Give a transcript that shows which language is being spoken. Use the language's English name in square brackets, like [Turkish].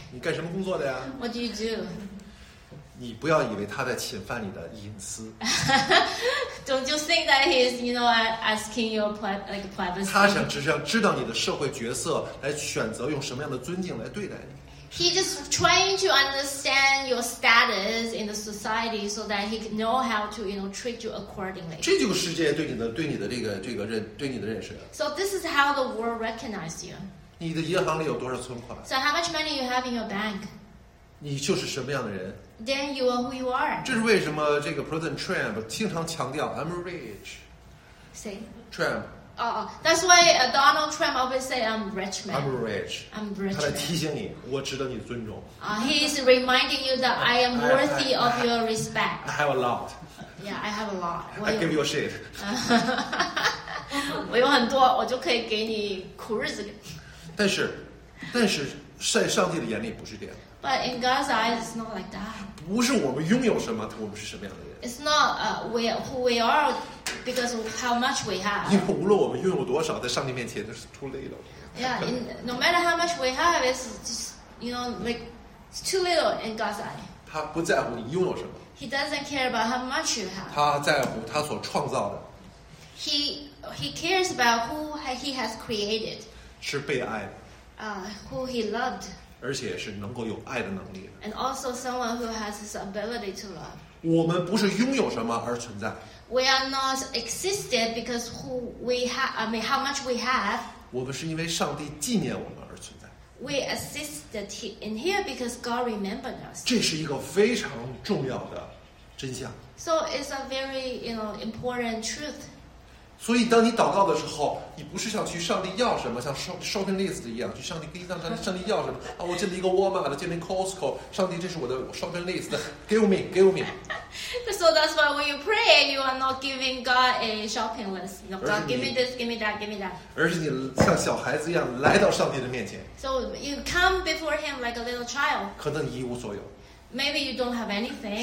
[Chinese] 你干什么工作的呀 [English] ？What do you do? [Chinese] 你不要以为他在侵犯你的隐私。 [English] Don't you think that he is, you know, asking your privacy? [Chinese] 他想只是要知道你的社会角色，来选择用什么样的尊敬来对待你。 [English] He just trying to understand your status in the society so that he can know how to, you know, treat you accordingly. [Chinese] 这就是世界对你的这个认对你的认识。 [English] So this is how the world recognizes you. [Chinese] 你的银行里有多少存款 [English] ？So how much money you have in your bank? [Chinese] 你就是什么样的人 [English] ？Then you are who you are. [Chinese] 这是为什么这个 President Trump 经常强调 [English] I'm rich. Say Trump. That's why Donald Trump always say, "I'm rich man." I'm rich. I'm rich. [Chinese] 他来提醒你，我值得你尊重。 [English] He is reminding you that I am worthy of your respect. I have a lot. Yeah, I have a lot. I give you a shit. [Chinese] 我有很多，我就可以给你苦日子。但是在上帝的眼里不是这样。 [English] But in God's eyes, it's not like that. [Chinese] 不是我们拥有什么，我们是什么样的人。 [English] It's not who we are. Because of how much we have. [Chinese] 因为无论我们拥有多少，在上帝面前都是 [English] too little. Yeah, no matter how much we have, it's just, you know, like, it's too little in God's eye. [Chinese] 他不在乎你拥有什么。 [English] He doesn't care about how much you have. [Chinese] 他在乎他所创造的。 [English] He cares about who he has created. [Chinese] 是被爱的。 [English] Who he loved. [Chinese] 而且是能够有爱的能力的。 [English] And also someone who has his ability to love. [Chinese] 我们不是拥有什么而存在。 [English] We are not existed because who we have, I mean, how much we have. [Chinese] 我们是因为上帝纪念我们而存在。 [English] We assisted in here because God remembered us. [Chinese] 这是一个非常重要的真相。 [English] So it's a very, you know, important truth. [Chinese] 所以当你祷告的时候，你不是想去上帝要什么，像 shopping list 一样，去上帝给让上帝要什么啊？我建立一个 Walmart， 建立 Costco， 上帝，这是我的 shopping list， 给我命，给我命。 [English] So that's why when you pray, you are not giving God a shopping list. No, God, give me this, give me that, give me that. [Chinese] 而是你像小孩子一样来到上帝的面前。 [English] So you come before him like a little child. [Chinese] 可能你一无所有。 [English] Maybe you don't have anything.